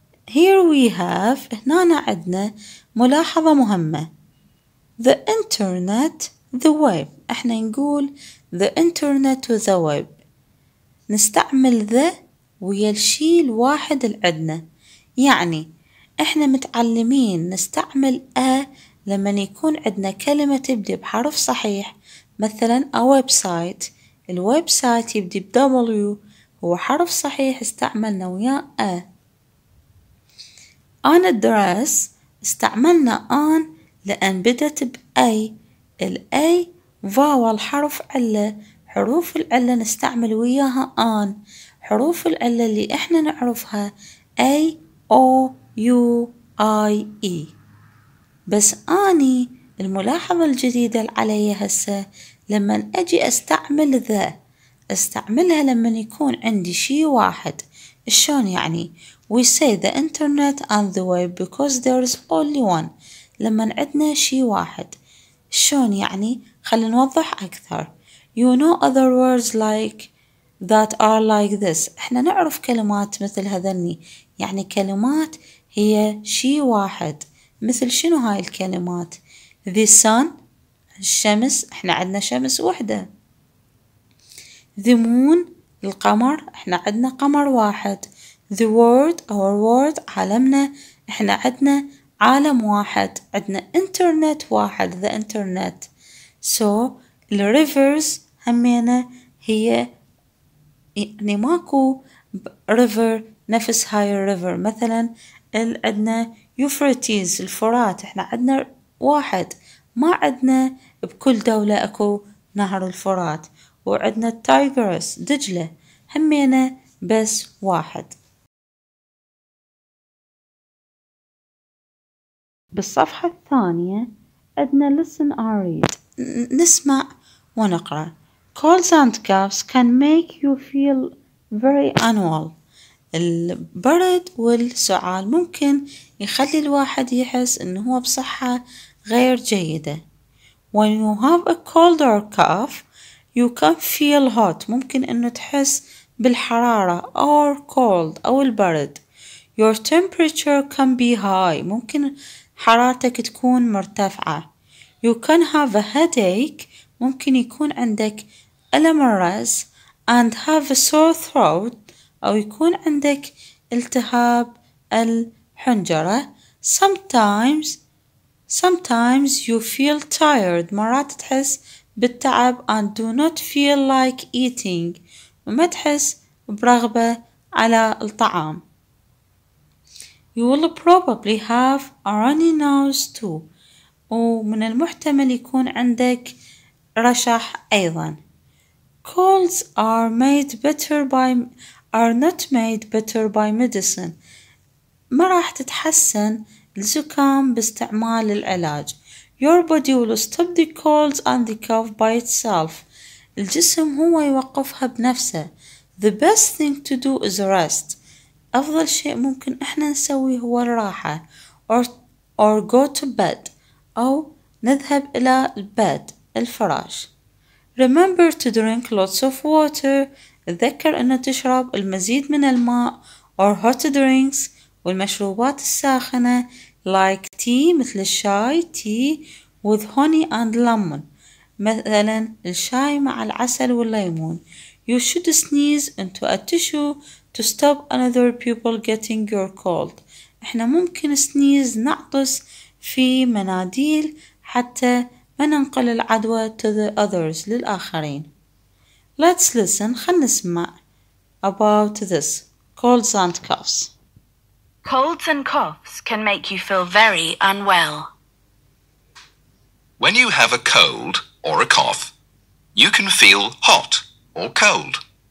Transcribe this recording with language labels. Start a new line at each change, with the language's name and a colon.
English: Here we have,
Arabic: هنا عندنا ملاحظة مهمة.
English: The internet, the web.
Arabic: احنا نقول
English: the internet to the web.
Arabic: نستعمل the ويا الشيء الواحد اللي عندنا. يعني احنا متعلمين نستعمل a لما يكون عندنا كلمة تبدي بحرف صحيح.
English: مثلا a website.
Arabic: الويب سايت يبدي ب W هو حرف صحيح استعملنا ويا a.
English: An address
Arabic: استعملنا an لأن بدت بأي. الأي فاول حرف علة. حروف العلة نستعمل وياها an. حروف العلة اللي احنا نعرفها A O U I E. بس اني الملاحظة الجديدة علي هسه لما اجي استعمل ذا استعملها لما يكون عندي شيء واحد. شلون يعني؟
English: We say the internet and the web because there is only one.
Arabic: لما عندنا شيء واحد. شلون يعني؟ خلي نوضح أكثر.
English: You know other words like that are like this.
Arabic: احنا نعرف كلمات مثل هذني. يعني كلمات هي شيء واحد. مثل شنو هاي الكلمات؟
English: The sun.
Arabic: الشمس. احنا عندنا شمس واحدة.
English: The moon.
Arabic: القمر. احنا عندنا قمر واحد.
English: The world, our world, عالمنا.
Arabic: احنا عندنا عالم واحد. عندنا internet واحد,
English: the internet. So, the rivers
Arabic: همينة هي يعني ماكو river نفس هاي river. مثلا عندنا Euphrates, الفرات. احنا عندنا واحد. ما عندنا بكل دولة اكو نهر الفرات. وعندنا Tigris, دجلة. همينة بس واحد. بالصفحة الثانية عندنا
English: listen and read.
Arabic: نسمع ونقرأ.
English: Colds and coughs can make you feel very unwell.
Arabic: البرد والسعال ممكن يخلي الواحد يحس انه هو بصحة غير جيدة.
English: When you have a cold or cough you can feel hot.
Arabic: ممكن انه تحس بالحرارة
English: or cold
Arabic: او البرد.
English: Your temperature can be high.
Arabic: ممكن حرارتك تكون مرتفعة.
English: You can have a headache.
Arabic: ممكن يكون عندك ألم الرأس.
English: And have a sore throat.
Arabic: أو يكون عندك التهاب الحنجرة. Sometimes
English: Sometimes you feel tired.
Arabic: مرات تحس بالتعب
English: and do not feel like eating.
Arabic: وما تحس برغبة على الطعام.
English: You will probably have a runny nose too.
Arabic: ومن المحتمل يكون عندك رشح أيضا.
English: Colds are made better by are not made better by medicine.
Arabic: ما راح تتحسن الزكام باستعمال العلاج.
English: Your body will stop the colds and the cough by itself.
Arabic: الجسم هو يوقفها بنفسه.
English: The best thing to do is rest.
Arabic: أفضل شيء ممكن إحنا نسوي هو الراحة.
English: Or go to bed.
Arabic: أو نذهب إلى البيت الفراش.
English: Remember to drink lots of water.
Arabic: تذكر أن تشرب المزيد من الماء.
English: Or hot drinks.
Arabic: والمشروبات الساخنة
English: like tea
Arabic: مثل الشاي
English: tea with honey and lemon
Arabic: مثلا الشاي مع العسل والليمون.
English: You should sneeze into a tissue to stop another pupil getting your cold.
Arabic: احنا ممكن سنيز نعطس في مناديل حتى ما ننقل العدوى
English: to the others
Arabic: للآخرين.
English: Let's listen
Arabic: خل نسمع
English: about this colds and coughs. Colds and coughs can make you feel very unwell. When you have a cold or a cough, you can feel hot or cold.